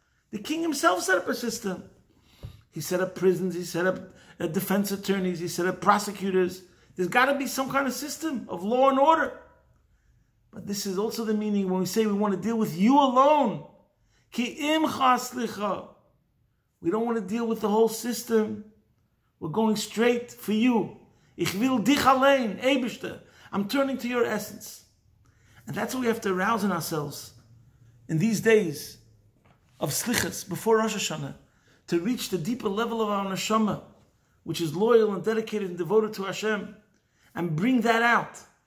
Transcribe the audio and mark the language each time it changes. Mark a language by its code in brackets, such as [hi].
[en] The king himself set up a system. He set up prisons, he set up defense attorneys, he set up prosecutors. There's got to be some kind of system of law and order. But this is also the meaning when we say we want to deal with you alone. [he] Ki imcha aslicha. [en] We don't want to deal with the whole system. We're going straight for you. [yi] Ich will dich allein, Eibishter. [en] I'm turning to your essence. And that's what we have to arouse in ourselves in these days of slichas before Rosh Hashanah, to reach the deeper level of our neshama, which is loyal and dedicated and devoted to Hashem, and bring that out.